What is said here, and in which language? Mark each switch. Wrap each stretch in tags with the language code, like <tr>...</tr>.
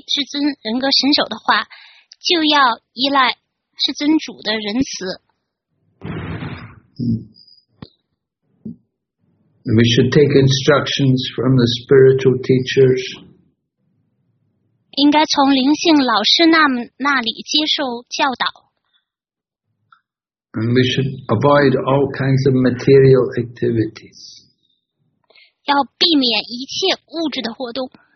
<zh>如果我们认真的希望能够回归至尊人格神手的话, 就要依赖至尊主的仁慈。</zh> <en>We should take instructions from the spiritual teachers.</en> <zh>应该从灵性老师那里接受教导。</zh> <en>And we should avoid all kinds of material activities.</en> <zh>要避免一切物质的活动。</zh>